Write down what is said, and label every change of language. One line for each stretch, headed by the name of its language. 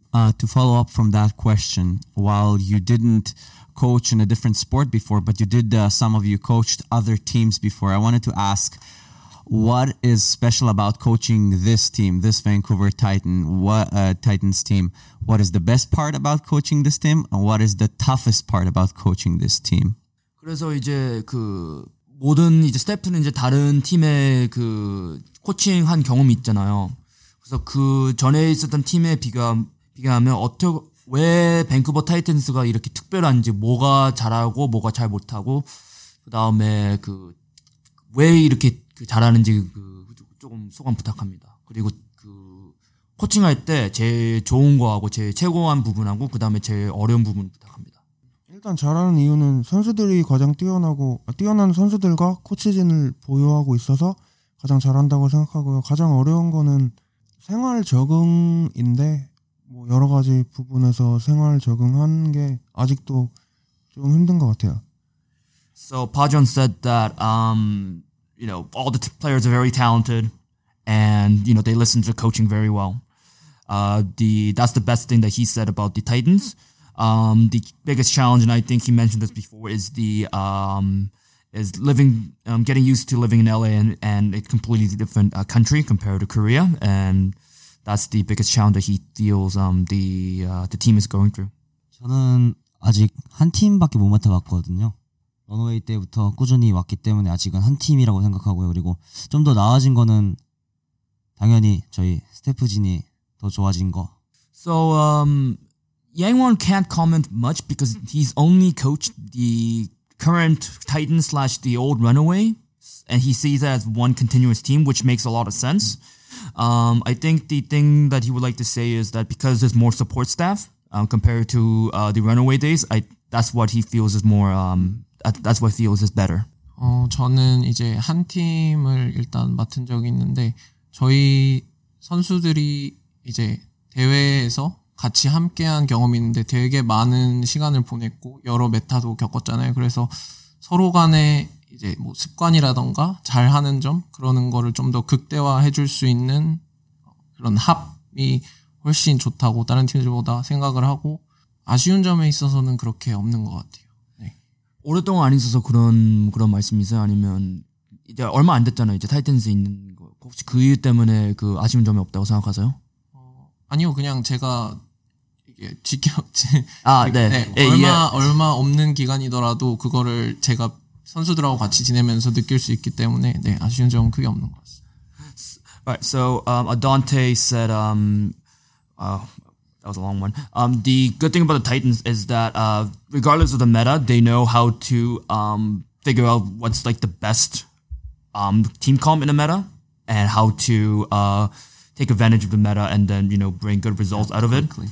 English: To follow up from that question, while you didn't coach in a different sport before, but you did some of you coached other teams before, I wanted to ask, what is special about coaching this team, this Vancouver Titan, Titans team? What is the best part about coaching this team? And what is the toughest part about coaching this team?
Korean: 그래서 이제 그 모든 이제 스태프는 이제 다른 팀의 그 코칭 한 경험이 있잖아요. 그래서 그 전에 있었던 팀에 비교하면 왜 밴쿠버 타이탄스가 이렇게 특별한지, 뭐가 잘하고 뭐가 잘 못하고, 그 다음에 그 왜 이렇게 그 잘하는지 그 조금 소감 부탁합니다. 그리고 그 코칭할 때 제일 좋은 거하고 제일 최고한 부분하고 그 다음에 제일 어려운 부분 부탁합니다. 일단 잘하는 이유는 선수들이 가장 뛰어난 선수들과 코치진을 보유하고 있어서 가장 잘한다고 생각하고요. 가장 어려운 거는 생활 적응인데 뭐 여러 가지 부분에서 생활 적응한 게 아직도 좀 힘든 것 같아요.
English: So Pajon said that you know, all the players are very talented and, you know, they listen to the coaching very well. That's the best thing that he said about the Titans. The biggest challenge, and I think he mentioned this before, is getting used to living in LA and a completely different country compared to Korea. And that's the biggest challenge that he feels the team is going through.
Korean: 저는 아직 한 팀밖에 못 맡아봤거든요. 런웨이 때부터 꾸준히 왔기 때문에 아직은 한 팀이라고 생각하고요. 그리고 좀 더 나아진 거는 당연히 저희 스태프진이 더 좋아진 거.
English: So Yangwon can't comment much because he's only coached the current Titan slash the old Runaway, and he sees that as one continuous team, which makes a lot of sense. I think the thing that he would like to say is that because there's more support staff compared to the Runaway days, that's what he feels is more. That's what feels is better.
Korean: 저는 이제 한 팀을 일단 맡은 적이 있는데 저희 선수들이 이제 대회에서 같이 함께한 경험이 있는데 되게 많은 시간을 보냈고 여러 메타도 겪었잖아요. 그래서 서로 간에 이제 뭐 습관이라든가 잘하는 점 그러는 거를 좀 더 극대화해 줄 수 있는 그런 합이 훨씬 좋다고 다른 팀들보다 생각을 하고 아쉬운 점에 있어서는 그렇게 없는 것 같아요. 오랫동안 안 있어서 그런 말씀이세요? 아니면 이제 얼마 안 됐잖아요. 이제 타이탄스 있는 거 혹시 그 이유 때문에 그 아쉬운 점이 없다고 생각하세요? 아니요, 그냥 제가 이게 얼마 없는 기간이더라도 그거를 제가 선수들하고 같이 지내면서 느낄 수 있기 때문에 네 아쉬운 점은 크게 없는 것 같습니다.
English: Right, so Adante said that was a long one. The good thing about the Titans is that regardless of the meta, they know how to figure out what's like the best team comp in a meta and how to take advantage of the meta and then, you know, bring good results out of it.